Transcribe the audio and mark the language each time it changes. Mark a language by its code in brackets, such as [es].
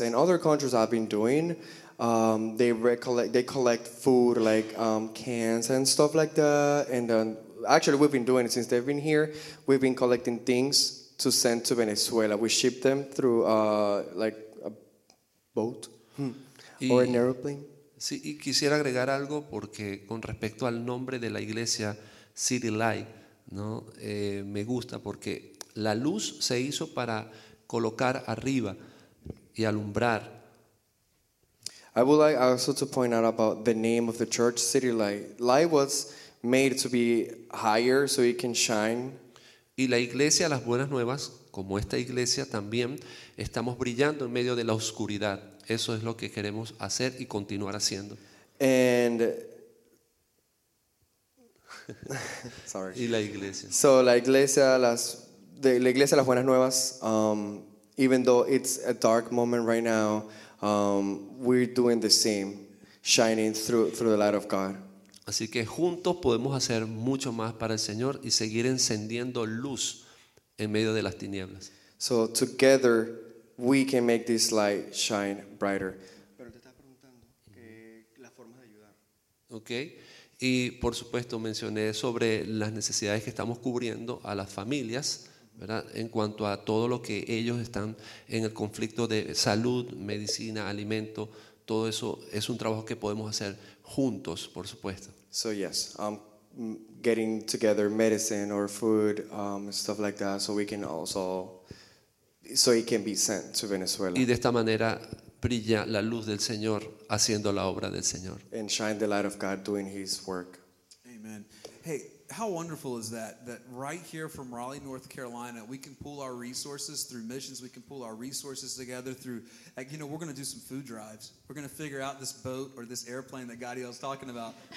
[en] and other countries have been doing. They collect food, like cans and stuff like that. And then, actually, we've been doing it since they've been here. We've been collecting things to send to Venezuela. We ship them through like a boat. Or an airplane. [es] Sí, y quisiera agregar algo porque con respecto al nombre de la iglesia City Light, ¿no? Me gusta porque la luz se hizo para colocar arriba y alumbrar. [en] I would like also to point out about the name of the church, City Light. Light was made to be higher so it can shine. [es] Y la iglesia, las buenas nuevas, como esta iglesia también, estamos brillando en medio de la oscuridad. Eso es lo que queremos hacer y continuar haciendo. [en] And [es] y la iglesia. [en] So [es] la iglesia las buenas nuevas, [en] even though it's a dark moment right now, we're doing the same, shining through the light of God. [es] Así que juntos podemos hacer mucho más para el Señor y seguir encendiendo luz en medio de las tinieblas. [en] So together we can make this light shine brighter. [es] Pero te estás preguntando que las formas de ayudar. [en] Okay. [es] Y por supuesto mencioné sobre las necesidades que estamos cubriendo a las familias, ¿verdad? En cuanto a todo lo que ellos están en el conflicto de salud, medicina, alimento, todo eso es un trabajo que podemos hacer juntos, por supuesto. [en] So yes, getting together medicine or food, stuff like that, so we can also so it can be sent to Venezuela. [es] Y de esta manera brilla la luz del Señor haciendo la obra del Señor. [en] And shine the light of God doing His work. Amen. Hey, how wonderful is that? That right here from Raleigh, North Carolina, we can pull our resources through missions. We can pull our resources together through, like, you know, we're going to do some food drives. We're going to figure out this boat or this airplane that Gadiel's talking about.